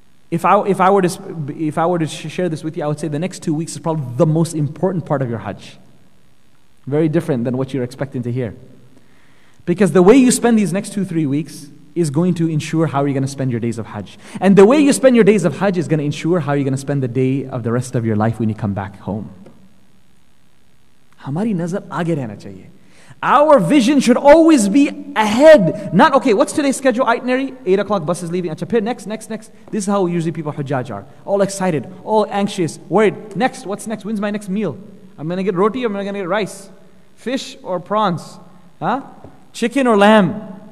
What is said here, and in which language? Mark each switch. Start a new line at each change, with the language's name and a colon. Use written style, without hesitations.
English: If I were to share this with you, I would say the next 2 weeks is probably the most important part of your Hajj. Very different than what you're expecting to hear. Because the way you spend these next 2-3 weeks is going to ensure how you're going to spend your days of Hajj. And the way you spend your days of Hajj is going to ensure how you're going to spend the day of the rest of your life when you come back home.
Urdu: ہماری نظر آگے رہنا چاہیے۔
English: Our vision should always be ahead. Not, okay, what's today's schedule, itinerary? 8 o'clock, bus is leaving. Next. This is how usually people hujjaj are. All excited, all anxious, worried. Next, what's next? When's my next meal? I'm going to get roti or I'm going to get rice? Fish or prawns? Huh? Chicken or lamb?